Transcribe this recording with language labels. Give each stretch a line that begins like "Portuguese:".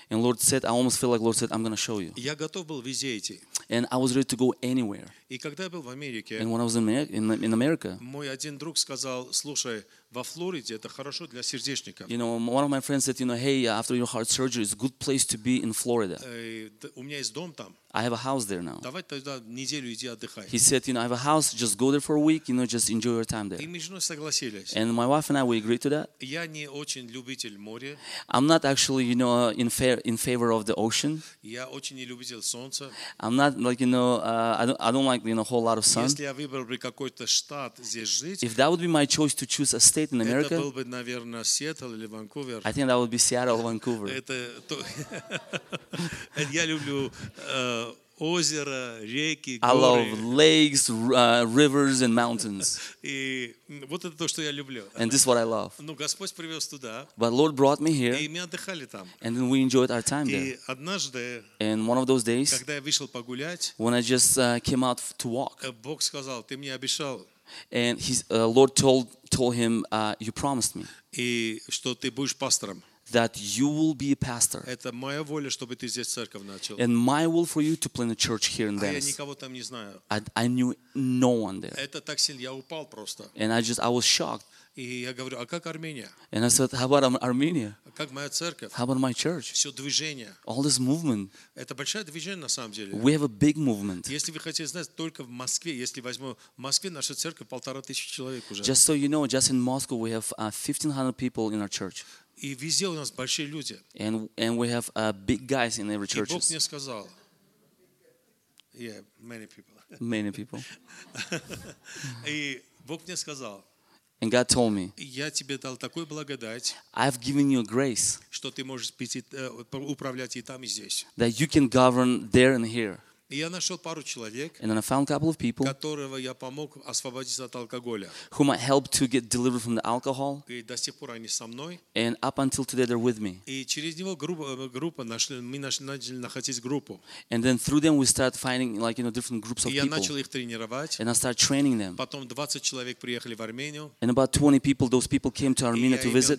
English: And Lord said, I almost feel like Lord said, I'm going to show you.
Russian: Я готов был везде идти.
English: And I was ready to go anywhere.
Russian: И когда я был в Америке.
English: And when I was in America.
Russian: Мой один друг сказал, слушай, во Флориде это хорошо для сердечника.
English: You know, one of my friends said, you know, hey, after your heart surgery, it's a good place to be in Florida.
Russian: У меня есть дом там.
English: I have a house there now.
Russian: Давай тогда неделю иди отдыхай.
English: He said, you know, I have a house, just go there for a week, you know, just enjoy your time there.
Russian: И мы с женой согласились.
English: And my wife and I, we agreed to that.
Russian: Я не очень любитель моря.
English: I'm not actually, you know, in favor of the ocean.
Russian: Я очень не любитель солнца.
English: I'm not like, you know, I don't like, you know, a whole lot of sun.
Russian: Если я выбрал бы какой-то штат здесь жить.
English: If that would be my choice to choose a state in America.
Russian: Это был бы, наверное, Сиэтл или Ванкувер.
English: I think that would be Seattle or Vancouver.
Russian: Это то. Я люблю озера, реки,
English: I love lakes, rivers and mountains.
Russian: И вот это то, что я люблю.
English: And this is what I love.
Russian: Ну, Господь привёз туда.
English: But Lord brought me here.
Russian: И мы отдыхали там.
English: And then we enjoyed our time
Russian: и
English: there.
Russian: И однажды,
English: and one of those days,
Russian: когда я вышел погулять,
English: when I just came out to walk,
Russian: Бог сказал: "Ты мне обещал".
English: And Lord told him, "You promised me".
Russian: И что ты будешь пастором?
English: That you will be a pastor.
Russian: Это моя воля, чтобы ты здесь церковь начал.
English: And my will for you to plant a church here in Venice.
Russian: А я никого там не знаю.
English: I knew no one there.
Russian: Это так сильно, я упал просто.
English: And I was shocked.
Russian: И я говорю, а как Армения?
English: And I said, how about Armenia?
Russian: Как моя церковь?
English: How about my church?
Russian: Все движение.
English: All this movement.
Russian: Это большое движение на самом деле.
English: We have a big movement.
Russian: Если вы хотите знать, только в Москве, если возьму в Москве, наша церковь 1500 человек уже.
English: Just so you know, just in Moscow we have 1500 people in our church.
Russian: И везде у нас большие люди.
English: And we have big guys in every church.
Russian: И Бог мне сказал.
English: Yeah, many people. Many people.
Russian: И Бог мне сказал.
English: And God told me.
Russian: Я тебе дал такую благодать.
English: I've given you a grace.
Russian: Что ты можешь управлять и там, и здесь.
English: That you can govern there and here.
Russian: И я нашел пару человек,
English: and then I found a couple of people,
Russian: которого я помог освободиться от алкоголя,
English: whom I helped to get delivered from the alcohol,
Russian: и до сих пор они со мной,
English: and up until today they're with me.
Russian: И через него группа нашли, мы начали находить группу,
English: and then through them we start finding like, you know, different groups of people.
Russian: И я начал их тренировать,
English: and I start training them.
Russian: Потом 20 человек приехали в Армению,
English: and about 20 people, those people came to Armenia to visit.